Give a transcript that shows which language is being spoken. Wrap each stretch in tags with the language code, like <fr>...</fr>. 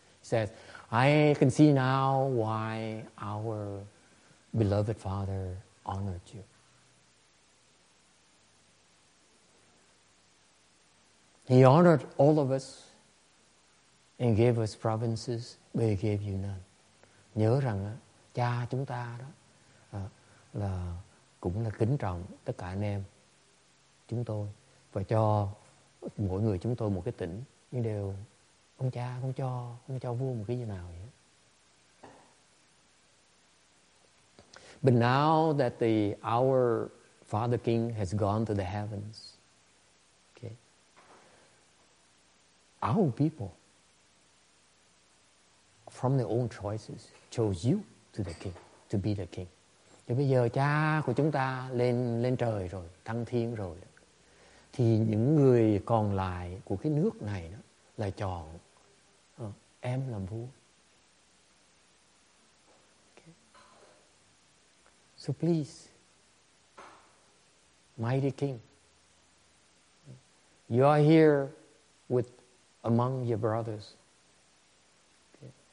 <en>He says, "I can see now why our beloved father honored you." He honored all of us and gave us provinces, but he gave you none.</en> <vi>Nhớ rằng cha chúng ta đó là cũng là kính trọng tất cả anh em chúng tôi và cho mỗi người chúng tôi một cái tỉnh, nhưng đều ông cha không cho vua một cái gì nào vậy.</vi> <en>But now that our father king has gone to the heavens, okay, our people from their own choices chose you to the king, to be the king.</en> <vi>Thì bây giờ cha của chúng ta lên trời rồi, thăng thiên rồi. Thì những người còn lại của cái nước này đó là chọn em làm vua.</vi> <en>Okay. So please, mighty king, you are here with among your brothers. Okay.</en>